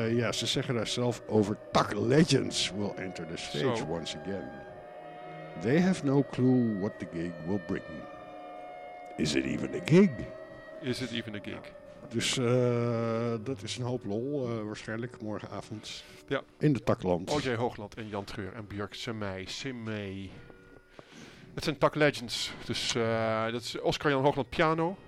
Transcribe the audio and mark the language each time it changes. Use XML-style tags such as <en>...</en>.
<nl>Ze zeggen daar zelf over:</nl> <en>Tak Legends will enter the stage so. Once again. They have no clue what the gig will bring. Is it even a gig? Is it even a gig?</en> <nl>Ja. Dus dat is een hoop lol waarschijnlijk morgenavond. Ja. In de Takland. OJ Hoogland en Jan Treur en Björk Semee. Het zijn Tak Legends. Dus dat is Oscar-Jan Hoogland piano.</nl>